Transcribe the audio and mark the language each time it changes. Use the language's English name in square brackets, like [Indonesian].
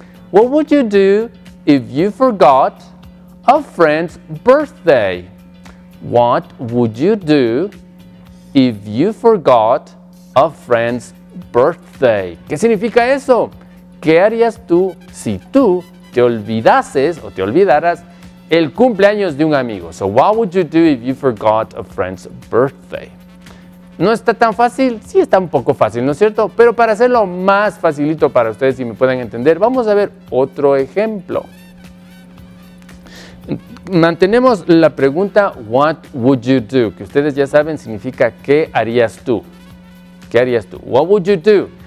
[English] What would you do if you forgot a friend's birthday? What would you do if you forgot a friend's birthday? [Spanish] ¿Qué significa eso? ¿Qué harías tú si tú te olvidases o te olvidaras el cumpleaños de un amigo? [English] So, what would you do if you forgot a friend's birthday? [Spanish] ¿No está tan fácil? Sí está un poco fácil, ¿no es cierto? Pero para hacerlo más facilito para ustedes y me puedan entender, vamos a ver otro ejemplo. Mantenemos la pregunta, [English] what would you do? [Spanish] Que ustedes ya saben, significa, ¿qué harías tú? ¿Qué harías tú? [English] What would you do?